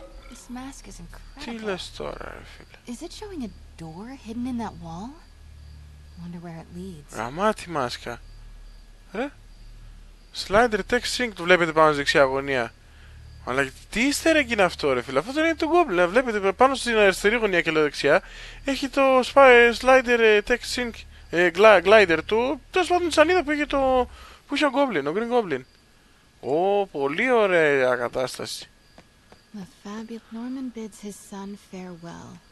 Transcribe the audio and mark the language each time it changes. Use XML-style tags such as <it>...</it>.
<en>This mask is incredible.</en> <el>Τι λες τώρα, ρε φίλε.</el> <en>Is it showing a door hidden in that wall? I wonder where it leads.</en> <el>Γαμάτη μάσκα. Ρε. Slider text sync το βλέπετε πάνω στη δεξιά γωνία. Αλλά τι easter egg είναι αυτό, ρε φίλε. Αυτό δεν είναι το Google. Βλέπετε πάνω στην αριστερή γωνία και δεξιά. Έχει το slider text sync glider του. Τέλος πάντων, σαν είδα που είχε το. Που είχε ο Goblin, ο Green Goblin. Ω, πολύ ωραία κατάσταση.</el> <en>The fabulous Norman bids his son farewell.</en>